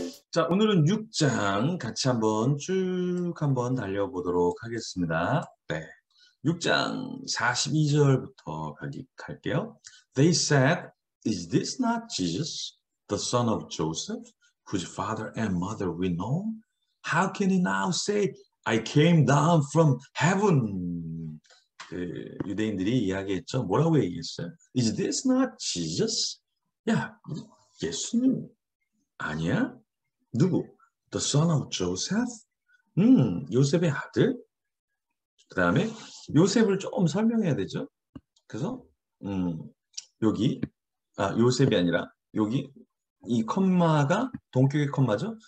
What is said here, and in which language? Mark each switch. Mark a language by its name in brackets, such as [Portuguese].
[Korean] 자, 오늘은 6장 같이 한번 쭉 한번 달려보도록 하겠습니다. 네. 6장 42절부터 갈게요. [English] They said, Is this not Jesus, the son of Joseph, whose father and mother we know? How can he now say, I came down from heaven? [Korean] 유대인들이 이야기했죠. 뭐라고 얘기했어요? [English] Is this not Jesus? [Korean] 야, 예수님 아니야? 누구? [English] The son of Joseph? [Korean] 요셉의 아들? 그 다음에 요셉을 조금 설명해야 되죠. 그래서 여기 요셉이 아니라 여기 이 컴마가 동격의 컴마죠.